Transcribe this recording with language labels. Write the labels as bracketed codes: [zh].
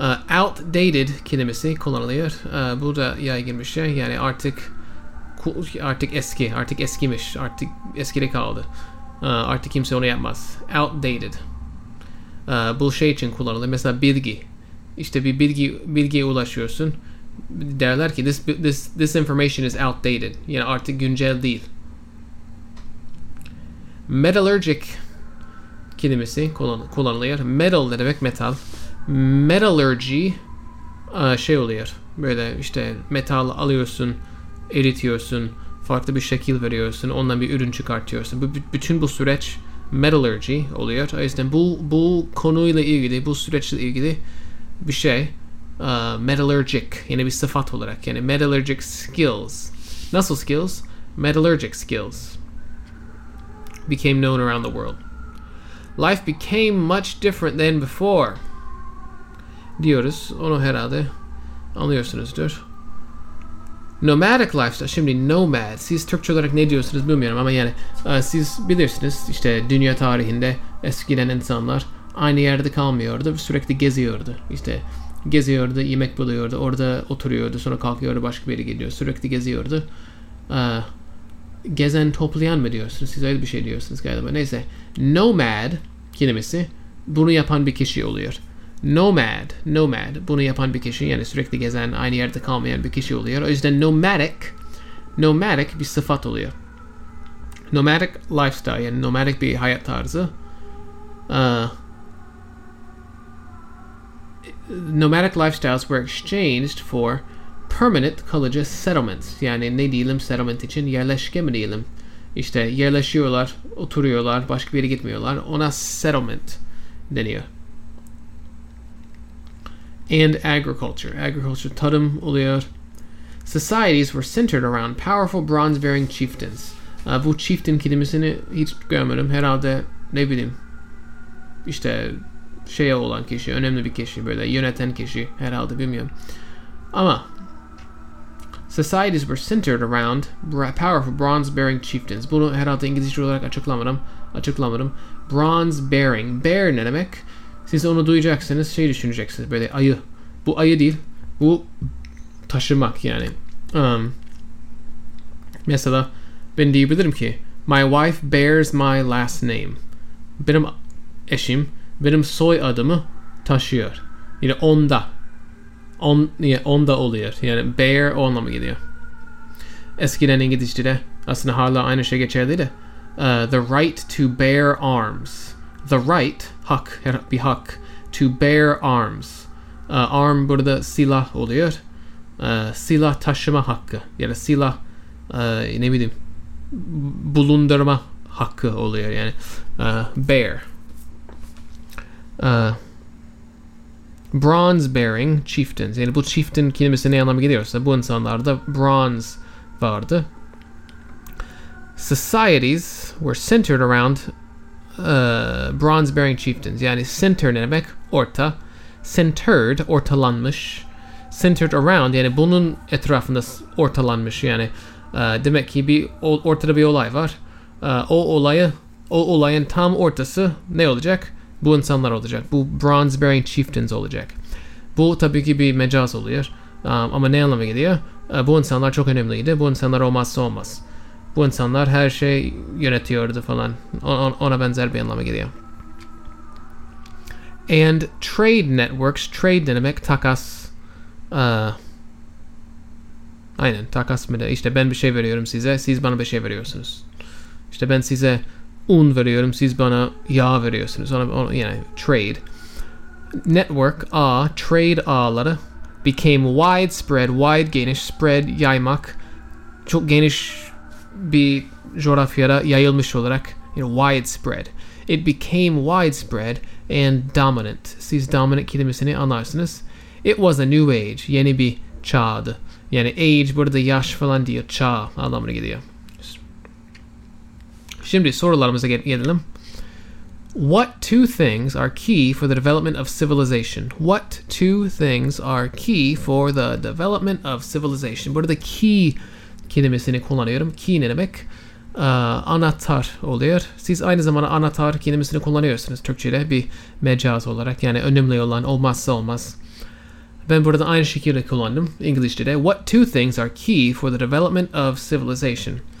[tr] Outdated kelimesi kullanılıyor. Bu da yaygın bir şey. Yani artık eskimiş, artık eskide kaldı. Artık kimse onu yapmaz. Outdated. Bu şey için kullanılır. Mesela bilgi. İşte bir bilgiye ulaşıyorsun. Derler ki [en] this information is outdated. [tr] Yani artık güncel değil. Metallurgic kelimesi kullanılıyor. Metal ne demek? Metal. Metallurgy şey oluyor. Böyle işte metal alıyorsun, eritiyorsun, farklı bir şekil veriyorsun, ondan bir ürün çıkartıyorsun. Bütün bu süreç metallurgy oluyor. O yüzden bu konuyla ilgili, bu süreçle ilgili bir şey metallurgic, yani bir sıfat olarak, yani [en] metallurgic skills. [tr] Nasıl skills? [en] Metallurgic skills became known around the world. Life became much different than before. [tr] Diyoruz, onu herhalde anlıyorsunuzdur. [en] Nomadic lifestyle, [tr] şimdi nomad, siz Türkçe olarak ne diyorsunuz bilmiyorum ama yani siz bilirsiniz işte dünya tarihinde eskiden insanlar aynı yerde kalmıyordu, sürekli geziyordu. İşte geziyordu, yemek buluyordu, orada oturuyordu, sonra kalkıyordu, başka bir yere gidiyordu, sürekli geziyordu. Gezen toplayan mı diyorsunuz, siz öyle bir şey diyorsunuz galiba, neyse. Nomad kelimesi bunu yapan bir kişi oluyor. Nomad, bunu yapan bir kişi, yani sürekli gezen, aynı yerde kalmayan bir kişi oluyor. O yüzden nomadic bir sıfat oluyor. Nomadic lifestyle, yani nomadic bir hayat tarzı. [en] Nomadic lifestyles were exchanged for permanent [tr] kalıcı [en] settlements. [tr] Yani ne diyelim settlement için, yerleşke mi diyelim? İşte yerleşiyorlar, oturuyorlar, başka bir yere gitmiyorlar. Ona settlement deniyor. [en] And agriculture. Agriculture, tarım oluyor. Societies were centered around powerful bronze-bearing chieftains. [tr] Bu chieftain kelimesini hiç görmedim. Herhalde, ne bileyim, işte şey olan kişi, önemli bir kişi, böyle yöneten kişi, herhalde bilmiyorum. Ama [en] societies were centered around powerful bronze-bearing chieftains. [tr] Bunu herhalde İngilizce olarak açıklamadım. Bronze-bearing. Bear ne demek? Siz onu duyacaksınız, şey düşüneceksiniz, böyle ayı. Bu ayı değil. Bu taşımak yani. Mesela ben diyebilirim ki [en] my wife bears my last name. [tr] Benim eşim benim soy adımı taşıyor. Yani onda. Onda oluyor. Yani bear o anlamı geliyor. Eskiden İngilizce'de aslında hala aynı şey geçerliydi. [en] The right to bear arms. The right, [tr] hak, bir hak, [en] to bear arms. [tr] Arm burada silah oluyor. Silah taşıma hakkı. Yani silah, ne bileyim, bulundurma hakkı oluyor. Yani bear. [en] Bronze bearing chieftains. [tr] Yani bu chieftain kelimesi ne anlamı geliyorsa bu insanlarda bronze vardı. [en] Societies were centered around bronze-bearing chieftains. [tr] Yani center ne demek? Orta. Centered, ortalanmış. Centered around, yani bunun etrafında ortalanmış. Yani demek ki ortada bir olay var. O olayın tam ortası ne olacak? Bu insanlar olacak. Bu bronze-bearing chieftains olacak. Bu tabii ki bir mecaz oluyor. Ama ne anlama geliyor? Bu insanlar çok önemliydi. Bu insanlar olmazsa olmaz. Bu insanlar her şey yönetiyordu falan. Ona benzer bir anlama geliyor. [en] And trade networks. Trade [tr] ne demek? Takas. Aynen. Takas mı? İşte ben bir şey veriyorum size. Siz bana bir şey veriyorsunuz. İşte ben size un veriyorum. Siz bana yağ veriyorsunuz. [en] Yani trade. Network. Trade ağları. Became widespread. Wide [tr] geniş. [en] Spread. [tr] Yaymak. Çok geniş bir coğrafyada yayılmış olarak, [en] you know, widespread. It became widespread and dominant. [tr] Siz dominant kelimesini anlarsınız. [en] It was a new age. [tr] Yeni bir çağdı. Yani age burada yaş falan diyor. Çağ anlamına geliyor. Şimdi sorularımıza gelelim. [en] What two things are key for the development of civilization? What two things are key for the development of civilization? [tr] Burada key kelimesini kullanıyorum. Key ne demek? Anahtar oluyor. Siz aynı zamanda anahtar kelimesini kullanıyorsunuz Türkçe'de bir mecaz olarak. Yani önemli olan olmazsa olmaz. Ben burada aynı şekilde kullandım İngilizce'de. [en] What two things are key for the development of civilization?